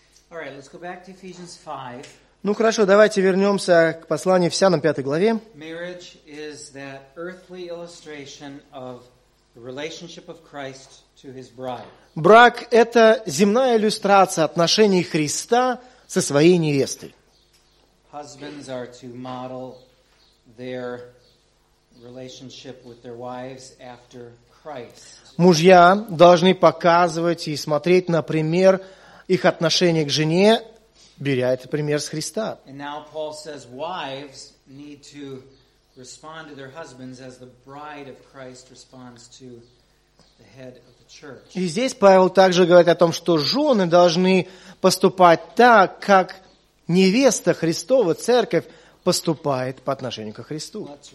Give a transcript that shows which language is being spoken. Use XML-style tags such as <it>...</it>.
<ru>Ну хорошо, давайте вернемся к посланию Ефесянам 5 главе. Брак – это земная иллюстрация отношений Христа со своей невестой.</ru> <en>Husbands are to model their relationship with their wives after Christ.</en> <ru>Мужья должны показывать и смотреть на пример их отношения к жене, беря это пример с Христа.</ru> <en>And now Paul says wives need to respond to their husbands as the bride of Christ responds to the head of the church.</en> <ru>И здесь Павел также говорит о том, что жены должны поступать так, как невеста Христова, церковь, поступает по отношению ко Христу.</ru>